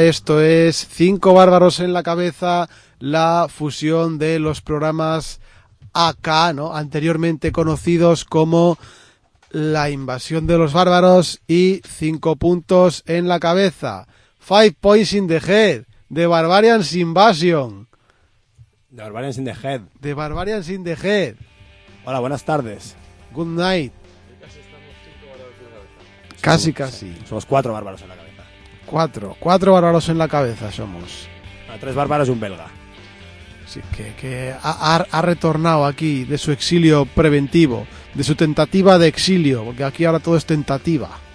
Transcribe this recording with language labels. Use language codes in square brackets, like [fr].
[es] Esto es Cinco Bárbaros en la Cabeza, la fusión de los programas acá, ¿no? Anteriormente conocidos como La Invasión de los Bárbaros y Cinco Puntos en la Cabeza. [en] Five Points in the Head, The Barbarians Invasion. The Barbarians in the Head. The Barbarians in the Head. [es] Hola, buenas tardes. [en] Good night. [es] Casi estamos cinco bárbaros en la cabeza. Casi, somos, casi. Somos cuatro bárbaros en la cabeza. Cuatro bárbaros en la cabeza somos. Bueno, tres bárbaros y un belga. Sí, que ha retornado aquí de su exilio preventivo, de su tentativa de exilio, porque aquí ahora todo es tentativa.